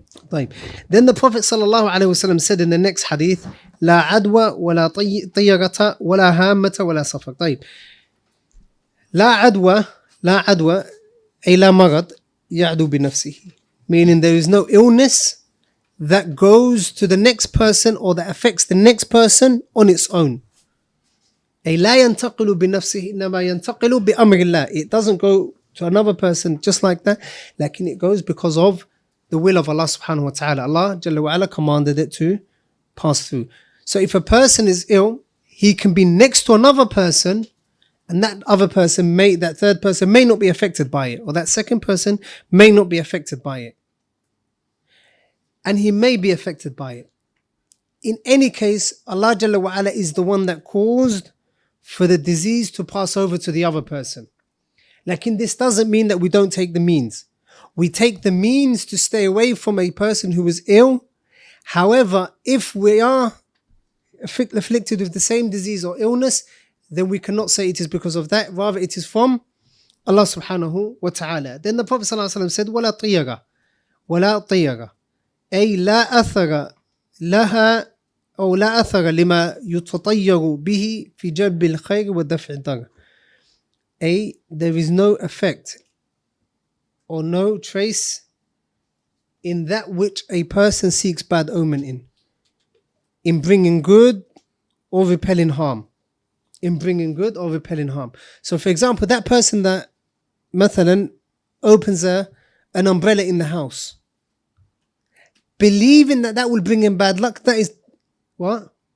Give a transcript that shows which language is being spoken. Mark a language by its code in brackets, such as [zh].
[ar] طيب. [en] Then the Prophet ﷺ said in the next hadith, [ar] لا عدوى ولا طيرة ولا هامة ولا صفر. طيب لا عدوى, لا عدوى أي لا مرض يعدو بنفسه, [en] meaning there is no illness that goes to the next person or that affects the next person on its own. [ar] أي لا ينتقل بنفسه إنما ينتقل بأمر الله. [en] It doesn't go to another person just like that, لكن it goes because of the will of Allah subhanahu wa ta'ala. Allah jalla wa ala commanded it to pass through. So if a person is ill, he can be next to another person, and that other person may, that third person may not be affected by it, or that second person may not be affected by it, and he may be affected by it. In any case, Allah jalla wa ala is the one that caused for the disease to pass over to the other person. Lakin this doesn't mean that we don't take the means. We take the means to stay away from a person who is ill. However, if we are afflicted with the same disease or illness, then we cannot say it is because of that. Rather, it is from Allah subhanahu wa ta'ala. Then the Prophet sallallahu alayhi wa sallam said, [ar] وَلَا طِيَّرَ وَلَا طِيَّرَ أي لا أثر لها أو لا أثر لما يتطير به في جلب الخير ودفع الضر. [en] A, there is no effect or no trace in that which a person seeks bad omen in bringing good or repelling harm, in bringing good or repelling harm. So for example, that person that, [ar] مثلاً, [en] opens an umbrella in the house, believing that that will bring him bad luck, that is, what?